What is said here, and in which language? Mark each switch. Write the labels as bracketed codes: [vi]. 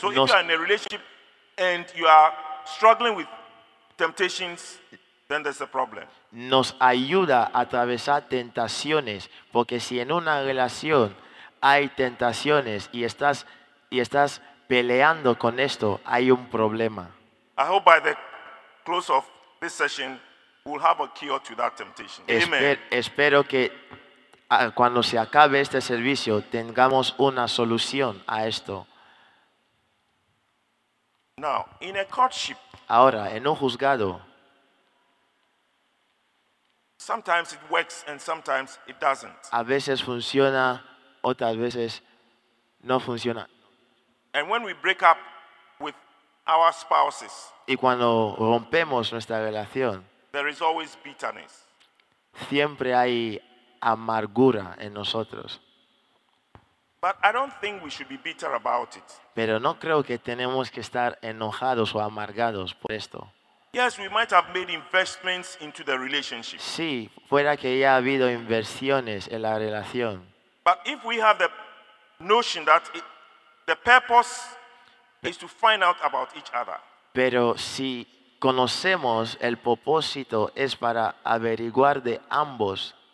[en] So if you are in a relationship and you are struggling with temptations, then there's a problem. [es] Nos ayuda a atravesar tentaciones, porque si en una relación hay tentaciones y estás peleando con esto, hay un problema. [en] I hope by the close of this session we'll have a cure to that temptation. Amen. [es] Espero que cuando se acabe este servicio tengamos una solución a esto. [en] Now, in a courtship. [es] Ahora, en un juzgado. [en] Sometimes it works and sometimes it doesn't. [es] A veces funciona, otras veces no funciona. [en] And when we break up with our spouses, [es] y cuando rompemos nuestra relación, [en] there is always bitterness. [es] siempre hay amargura en nosotros. [en] But I don't think we should be bitter about it. [es] Pero no creo que tenemos que estar enojados o amargados por esto. [en] Yes, we might have made investments into the relationship. [es] Sí, fuera que haya habido inversiones en la relación. [en] But if we have the notion that the purpose is to find out about each other. [es] Pero si conocemos el propósito es para averiguar de ambos.